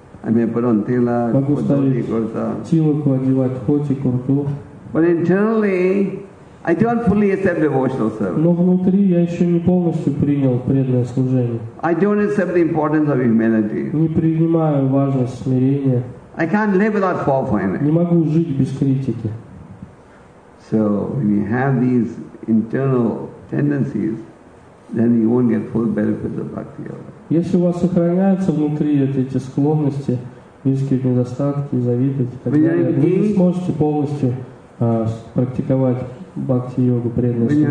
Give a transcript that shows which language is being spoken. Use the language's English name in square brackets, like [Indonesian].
[English] I may put on tila, [Russian] tilaku, одевать хоти, курту. [English] But internally, I don't fully accept devotional service. [Russian] Но внутри я еще не полностью принял преданное служение. [English] I don't accept the importance of humility. [Russian] Не принимаю важность смирения. [English] I can't live without fault finding. [Russian] Не могу жить без критики. [English] So when you have these internal tendencies, then you won't get full benefits of bhakti yoga. [Russian] Если у вас сохраняются внутри эти склонности, низкие недостатки, завидовать и так далее, вы не сможете полностью практиковать бхакти-йогу, преданное